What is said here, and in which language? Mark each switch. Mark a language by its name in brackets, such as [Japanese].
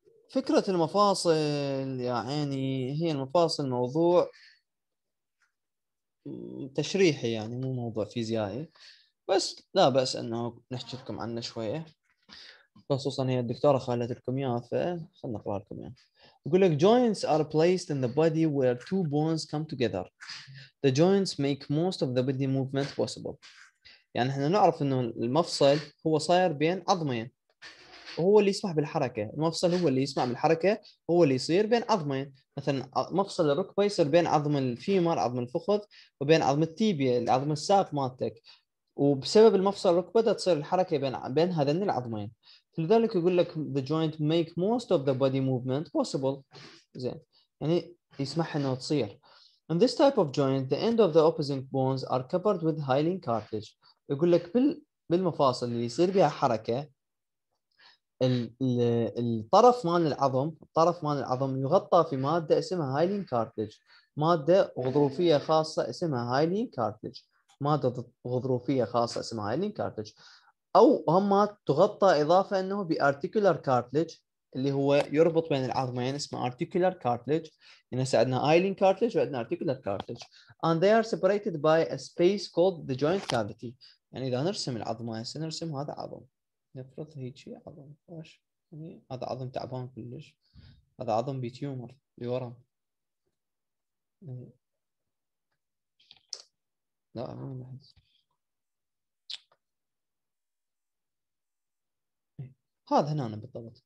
[Arabic] فكرة المفاصل يا عيني، هي المفاصل موضوع تشريحي يعني، مو موضوع فيزيائي، بس لا بأس انه نحكي لكم عنه شوية، خصوصا هي الدكتوره خلت لكم اياها، فخلنا نقرا لكم اياها. يقول لك [English] joints are placed in the body where two bones come together. The joints make most of the body movement possible. [Arabic] يعني احنا نعرف انه المفصل هو صاير بين عظمين، وهو اللي يسمح بالحركه، المفصل هو اللي يسمح بالحركه، هو اللي يصير بين عظمين، مثلا مفصل الركبه يصير بين عظم الفيمر عظم الفخذ وبين عظم التيبيا عظم الساق مالتك. وبسبب المفصل الركبه تصير الحركه بين هذين العظمين. لذلك يقول لك [English] the joint make most of the body movement possible. [Arabic] زين، يعني يسمح انه تصير. [English] In this type of joint, the end of the opposing bones are covered with hyaline cartilage. [Arabic] يقول لك بالمفاصل اللي يصير بها حركه الطرف مال العظم، الطرف مال العظم يغطى في ماده اسمها hyaline cartilage، ماده غضروفيه خاصه اسمها hyaline cartilage، ماده غضروفيه خاصه اسمها hyaline cartilage. او هم تغطى اضافه انه بارتيكولار كارتليج اللي هو يربط بين العظمين اسمه ارتيكولار كارتليج. هنا عندنا ايلين كارتليج وعندنا ارتيكولار كارتليج. [English] And they are separated by a space called the joint cavity. [Arabic] يعني اذا نرسم العظمه هسه نرسم هذا عظم، نفرض هيك شيء عظم، ايش يعني هذا عظم تعبان كلش، هذا عظم بيتيومر بورم، لا ما نحس هذا هنا بالضبط.